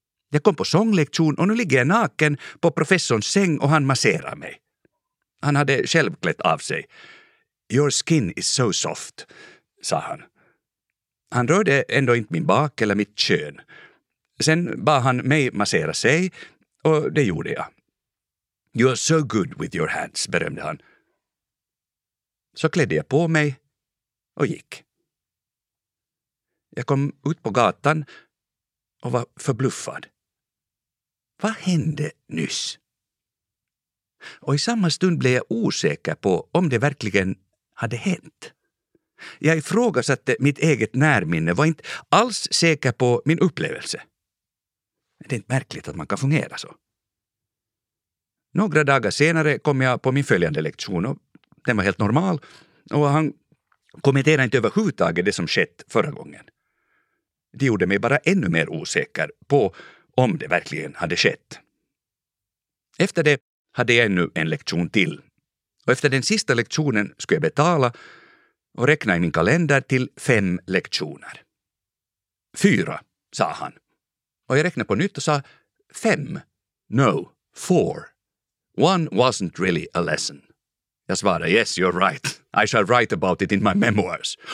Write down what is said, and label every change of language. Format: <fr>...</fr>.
<sv>Jag kom på sånglektion och nu ligger jag naken på professorns säng och han masserar mig. Han hade själv klätt av sig.</sv> <en>Your skin is so soft,</en> <sv>sa han. Han rörde ändå inte min bak eller mitt kön. Sen bad han mig massera sig och det gjorde jag.</sv> <en>You are so good with your hands,</en> <sv>berömde han. Så klädde jag på mig och gick. Jag kom ut på gatan och var förbluffad. Vad hände nyss? Och i samma stund blev jag osäker på om det verkligen hade hänt. Jag ifrågasatte mitt eget närminne, var inte alls säker på min upplevelse. Det är inte märkligt att man kan fungera så. Några dagar senare kom jag på min följande lektion och den var helt normal. Och han kommenterade inte överhuvudtaget det som skett förra gången. Det gjorde mig bara ännu mer osäker på om det verkligen hade skett. Efter det hade jag ännu en lektion till. Och efter den sista lektionen skulle jag betala och räkna i min kalender till 5 lektioner. 4, sa han. Och jag räknade på nytt och sa 5.</sv> <en>No, 4. One wasn't really a lesson.</en> <sv>Jag svarade,</sv> <en>yes, you're right. I shall write about it in my memoirs.</en>